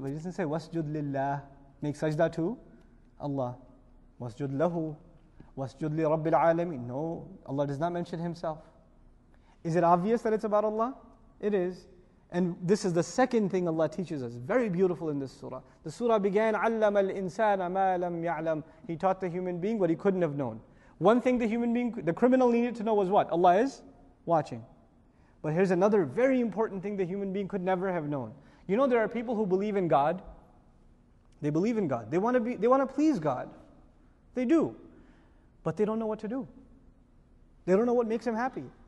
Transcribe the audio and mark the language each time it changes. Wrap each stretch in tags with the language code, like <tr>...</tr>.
<en>But he doesn't say</en> <ar>wasjud lillah.</ar> <en>Make sajda to Allah.</en> <ar>Wasjud lahu. Wasjud li rabbil alameen.</ar> <en>No, Allah does not mention himself. Is it obvious that it's about Allah? It is. And this is the second thing Allah teaches us. Very beautiful in this surah. The surah began,</en> <ar>عَلَّمَ الْإِنسَانَ مَا لَمْ يَعْلَمْ.</ar> <en>He taught the human being what he couldn't have known. One thing the human being, the criminal needed to know was what? Allah is watching. But here's another very important thing the human being could never have known. You know, there are people who believe in God. They believe in God. They want to please God. They do. But they don't know what to do. They don't know what makes him happy.</en>